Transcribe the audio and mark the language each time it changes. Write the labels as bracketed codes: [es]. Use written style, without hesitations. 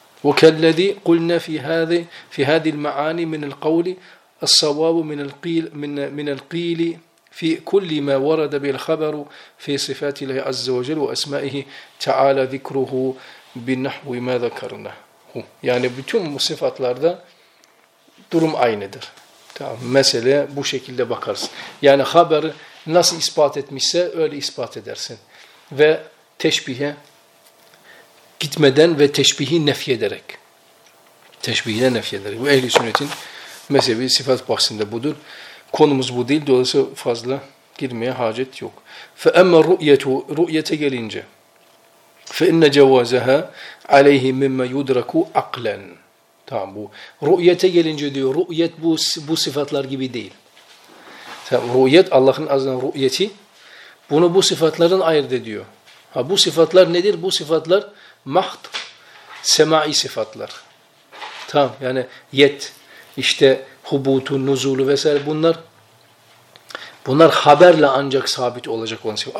[ar] وكالذي قلنا في هذه المعاني من القول الصواب من القيل القيل في كل ما ورد بالخبر في صفات الله عز وجل وأسمائه تعالى ذكره بالنحو ما ذكرناه. يعني [tr] bütün sıfatlarda durum aynıdır. Tamam, mesele bu şekilde bakarsın. Yani haber nasıl ispat etmişse öyle ispat edersin. Ve teşbihe gitmeden ve teşbihi nefyederek. Teşbihine nefyederek. Bu ehl-i sünnetin mezhebi sıfat bahsinde budur. Konumuz bu değil. Dolayısıyla fazla girmeye hacet yok. [ar] فَاَمَّا الرُّؤْيَةُ [tr] Rü'yete gelince [ar] فَاِنَّ جَوَازَهَا عَلَيْهِ مِمَّ يُدْرَكُ عَقْلًا. [tr] Tamam, bu. Rü'yete gelince diyor. Rü'yet bu sıfatlar gibi değil. Tamam, rü'yet Allah'ın azından rü'yeti. Bunu bu sıfatların ayırt ediyor. Ha, bu sıfatlar nedir? Bu sıfatlar maht, semai sıfatlar. Tamam, yani yet, işte hubutu, nuzulu vesaire bunlar haberle ancak sabit olacak olan sıfat.